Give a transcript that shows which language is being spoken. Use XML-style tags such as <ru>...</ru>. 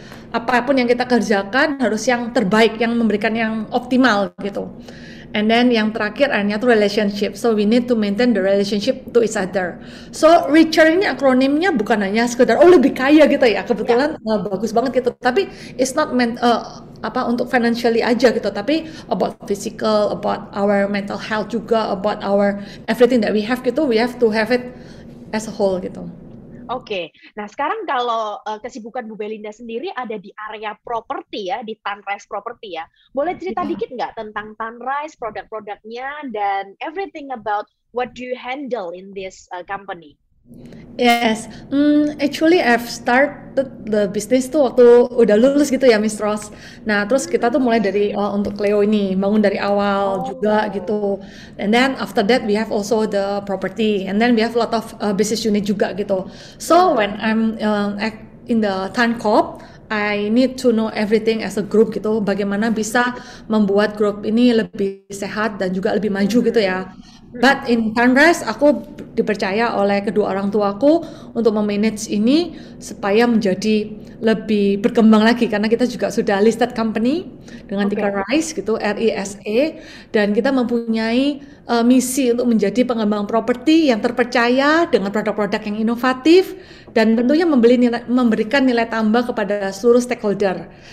<id>Apapun yang kita kerjakan harus yang terbaik, yang memberikan yang optimal, gitu.</id> <en>And then</en> <id>yang terakhir akhirnya itu relationship.</id> <en>So we need to maintain the relationship to each other.</en> <id>So richer ini akronimnya bukan hanya sekedar oh lebih kaya gitu ya, kebetulan bagus banget gitu. Tapi</id> <en>it's not meant</en> <id>apa untuk financially aja gitu.</id> <en>Tapi about physical, about our mental health juga, about our everything that we have gitu. We have to have it as a whole gitu.</en> <id>Oke, nah sekarang kalau kesibukan Bu Belinda sendiri ada di area properti ya, di Tanrise Property ya, boleh cerita dikit nggak tentang Tanrise, produk-produknya, dan</id> <en>everything about what do you handle in this company? Yes, actually I've started the business</en> <id>tuh waktu udah lulus gitu ya,</id> <en>Miss Ross.</en> <id>Nah, terus kita tuh mulai dari untuk Cleo ini, bangun dari awal juga gitu.</id> <en>And then after that we have also the property, and then we have a lot of business unit juga gitu. So when I'm in the Tan Corp, I need to know everything as a group gitu,</en> <id>bagaimana bisa membuat grup ini lebih sehat dan juga lebih maju gitu ya.</id> <en>But in Sunrise,</en> <id>aku dipercaya oleh kedua orang tuaku untuk memanage ini supaya menjadi lebih berkembang lagi, karena kita juga sudah listed company dengan ticker RISE gitu, RISE, dan kita mempunyai misi untuk menjadi pengembang properti yang terpercaya dengan produk-produk yang inovatif dan tentunya memberikan nilai tambah kepada seluruh stakeholder.</id>